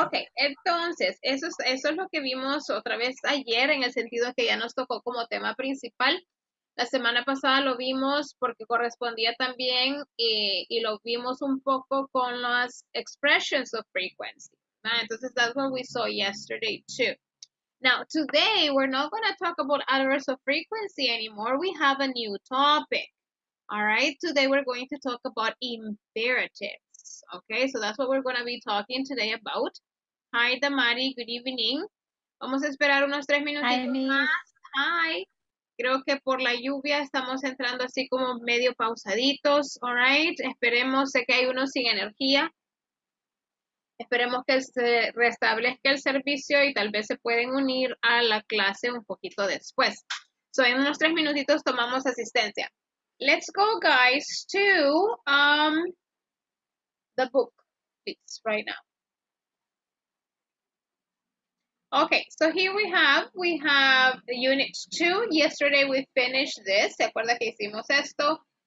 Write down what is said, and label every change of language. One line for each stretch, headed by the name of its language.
Spanish: Okay, entonces, eso es lo que vimos otra vez ayer, en el sentido que ya nos tocó como tema principal. La semana pasada lo vimos porque correspondía también y lo vimos un poco con las
English: expressions of frequency.
Spanish: ¿No? Entonces,
English: that's what we saw yesterday too. Now, today, we're not going to talk about adverbs of frequency anymore. We have a new topic. All right? Today, we're going to talk about imperatives. Okay? So, that's what we're going to be talking today about. Hi, Damari. Good evening.
Spanish: Vamos a esperar unos tres minutitos más.
English: Hi.
Spanish: Creo que por la lluvia estamos entrando así como medio pausaditos.
English: All right?
Spanish: Esperemos. Sé que hay unos sin energía. Esperemos que se restablezca el servicio y tal vez se pueden unir a la clase un poquito después. So, en unos tres minutitos tomamos asistencia.
English: Let's go, guys, to the book, please, right now. Okay, so here we have unit 2. Yesterday we finished this.
Spanish: ¿Se acuerda que hicimos esto?